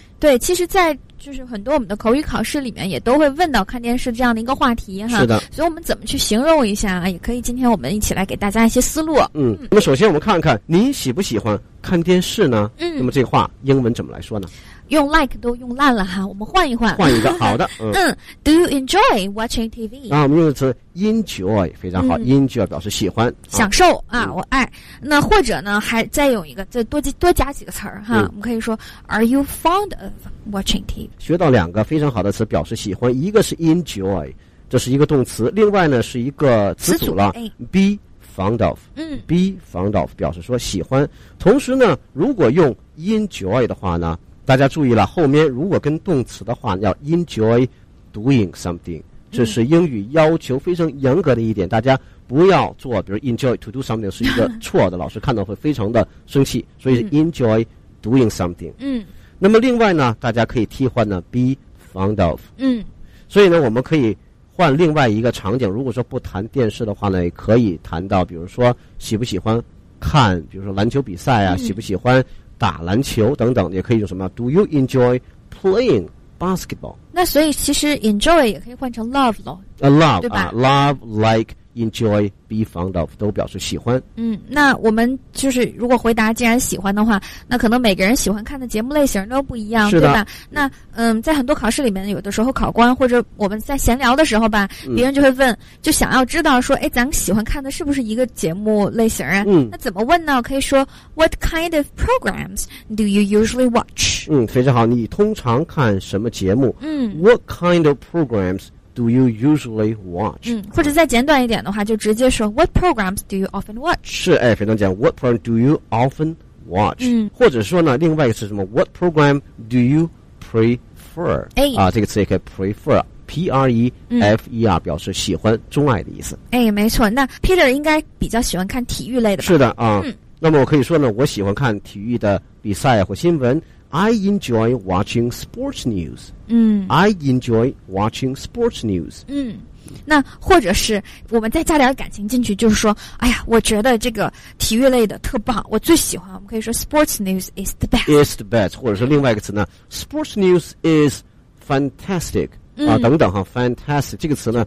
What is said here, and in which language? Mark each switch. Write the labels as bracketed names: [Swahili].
[Chinese] 对，其实在就是很多我们的口语考试里面也都会问到看电视这样的一个话题哈。是的，所以我们怎么去形容一下啊，也可以今天我们一起来给大家一些思路。那么首先我们看看你喜不喜欢看电视呢。那么这话英文怎么来说呢？用 like 都用烂了哈，我们换一换，换一个好的。 [English] Do you enjoy watching TV？ [Chinese] 啊，我们用的词 enjoy 非常好。 enjoy 表示喜欢、享受啊，我爱。那或者呢，还再用一个，再多加几个词儿哈。我们可以说 [English] Are you fond of watching TV？ [Chinese] 学到两个非常好的词，表示喜欢，一个是 enjoy， 这是一个动词，另外呢是一个词组了。 be fond of， be fond of 表示说喜欢。同时呢，如果用 enjoy 的话呢？大家注意了，后面如果跟动词的话要 enjoy doing something， 这是英语要求非常严格的一点，大家不要做比如 enjoy to do something 是一个错的老师看到会非常的生气，所以是 enjoy doing something。那么另外呢大家可以替换呢 be fond of。 所以呢我们可以换另外一个场景，如果说不谈电视的话呢，可以谈到比如说喜不喜欢看比如说篮球比赛啊，喜不喜欢打篮球等等，也可以用什么 [English] Do you enjoy playing basketball？ [Chinese] 那所以其实 enjoy 也可以换成 love 咯。 [English] Love [Chinese] 对吧、 [English] love, like, enjoy, be fond of 都表示喜欢。 [Chinese] 嗯，那我们就是如果回答既然喜欢的话，那可能每个人喜欢看的节目类型都不一样，是的，对吧？那在很多考试里面，有的时候考官或者我们在闲聊的时候吧，别人就会问，就想要知道说，哎，咱们喜欢看的是不是一个节目类型啊？嗯，那怎么问呢？可以说 [English] What kind of programs do you usually watch？ [Chinese] 嗯，非常好，你通常看什么节目？嗯 [English] ，What kind of programs？ Do you usually watch？ [Chinese] 嗯，或者再简短一点的话，就直接说 [English] What programs do you often watch？ [Chinese] 是，哎，非常简单。 [English] What program do you often watch？嗯， [Chinese] 或者说呢，另外一个是什么 [English] ？What program do you prefer？哎， [Chinese] 啊，这个词也可以 prefer。P-R-E-F-E-R、表示喜欢、钟爱的意思。哎，没错。那 Peter 应该比较喜欢看体育类的吧。是的啊、那么我可以说呢，我喜欢看体育的比赛或新闻。 [English] I enjoy watching sports news. 嗯，I enjoy watching sports news. [Chinese] 嗯，那或者是我们再加点感情进去，就是说，哎呀，我觉得这个体育类的特棒，我最喜欢。我们可以说 [English] sports news is the best. [Chinese] Is the best， 或者是另外一个词呢 ， [English] sports news is fantastic、 [Chinese] 啊等等哈 ，fantastic 这个词呢，